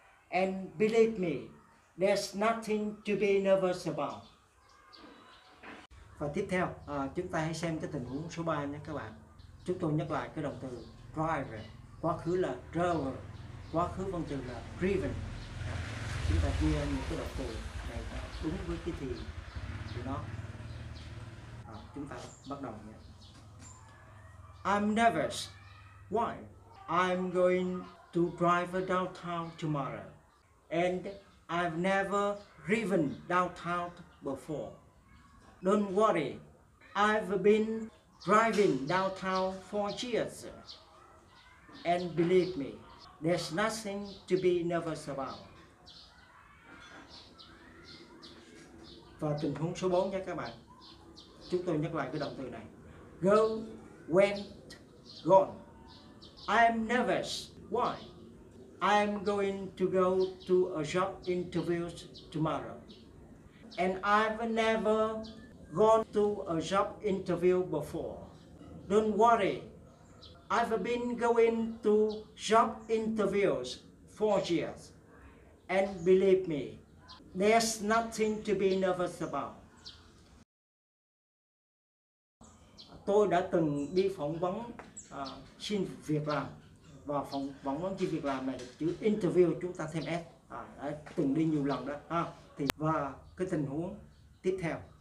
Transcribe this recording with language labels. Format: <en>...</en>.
<en>And believe me, there's nothing to be nervous about.</en> <vi>Và tiếp theo, chúng ta hãy xem cái tình huống số 3 nhé các bạn. Chúng tôi nhắc lại cái động từ drive. Quá khứ là drove. Quá khứ văn từ là driven. Chúng ta chia những cái động từ này đúng với cái thì của nó. Chúng ta bắt đầu nhé.</vi> <en>I'm nervous. Why? I'm going to drive downtown tomorrow. And I've never driven downtown before. Don't worry, I've been driving downtown for years. And believe me, there's nothing to be nervous about.</en> <vi>Và tình huống số 4 nha các bạn. Chúng tôi nhắc lại cái động từ này.</vi> <en>Go, went, gone. I'm nervous. Why? I am going to go to a job interview tomorrow. And I've never gone to a job interview before. Don't worry. I've been going to job interviews 4 years. And believe me, there's nothing to be nervous about.</en> <vi>Tôi đã từng đi phỏng vấn xin việc làm. Và phỏng vấn xin việc làm này, chữ interview chúng ta thêm S. Đã từng đi nhiều lần đó. Và cái tình huống tiếp theo.</vi>